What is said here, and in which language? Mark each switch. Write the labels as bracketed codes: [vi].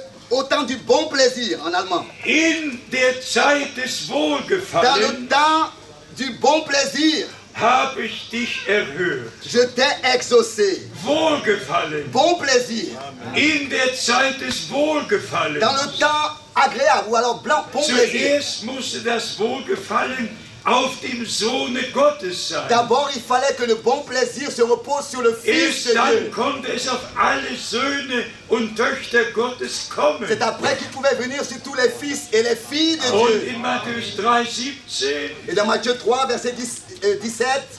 [fr] Au temps du bon plaisir en allemand. [de] In der Zeit des Wohlgefallens. [fr] Dans le temps du bon plaisir. [de] Habe ich dich erhört. [fr] Je t'ai exaucé. [de] Wohlgefallen. [fr] Bon plaisir. [de] In der Zeit des Wohlgefallens. [fr] Dans le temps agréable ou alors blanc, bon [de] zuerst [fr] plaisir. [de] Zuerst musste das Wohlgefallen auf dem Sohne Gottes sein. [fr] D'abord, il fallait que le bon plaisir se repose sur le Fils de Dieu. [de] Et dann konnte es auf alle Söhne und Töchter Gottes kommen. [fr] C'est après qu'il pouvait venir sur tous les fils et les filles de Dieu. [de] Und in Matthäus 3, 17. [fr] Et dans Matthieu 3, verset 17.